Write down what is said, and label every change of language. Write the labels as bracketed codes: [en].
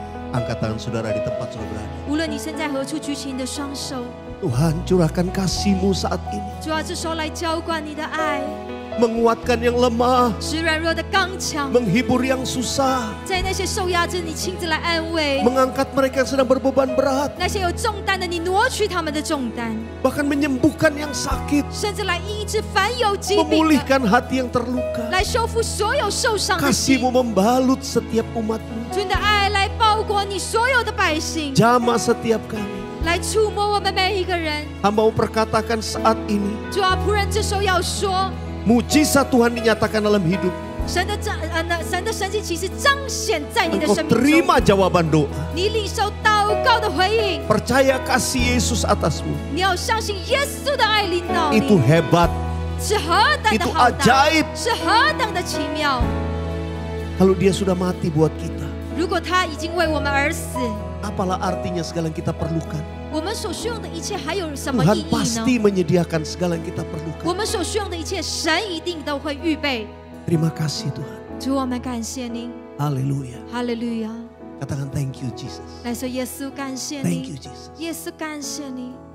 [id] Angkat tangan saudara di tempat saudara berada. [zh] 无论你现在何处举起你的双手。 [id] Tuhan curahkan kasih-Mu saat ini. [zh] 主啊，这时候来浇灌你的爱。 [id] Menguatkan yang lemah. [zh] 使软弱的刚强。 [id] Menghibur yang susah. [zh] 在那些受压制你亲自来安慰。 [id] Mengangkat mereka yang sedang berbeban berat. [zh] 那些有重担的你挪去他们的重担。 [id] Bahkan menyembuhkan yang sakit. [zh] 甚至来医治凡有疾病的。 [id] Memulihkan hati yang terluka. [zh] 来修复所有受伤的心。 [id] Kasih-Mu membalut setiap umat-Mu. [zh] 主你的爱来包裹你所有的百姓。 [id] Jamah setiap kami. [zh] 来触摸我们每一个人。 [id] Hamba-Mu perkatakan saat ini. [zh] 主啊，仆人这时候要说。 [id] Mujizat Tuhan dinyatakan dalam hidup. [zh] 神的神迹其实彰显在你的生命中。 [id] Terima jawaban doa. [zh] 你领受祷告的回应。 [id] Percaya kasih Yesus atasmu. [zh] 你要相信耶稣的爱临到你。 [id] Itu hebat. [zh] 是何等的浩大。 [id] Itu ajaib. [zh] 是何等的奇妙。 [id] Kalau dia sudah mati buat kita. [zh] 如果他已经为我们而死。 [id] Apalah artinya segala yang kita perlukan. [zh] 我们所需要的一切还有什么意义呢? [id] Tuhan pasti menyediakan segala yang kita perlukan. [zh] 我们所需要的一切神一定都会预备. [id] Terima kasih Tuhan. [zh] 主我们感谢您. [id] Haleluya. [zh] Haleluya. [id] Katakan [en] thank you Jesus. [zh] 来说耶稣感谢您. [en] Thank you Jesus. [zh] 耶稣感谢您.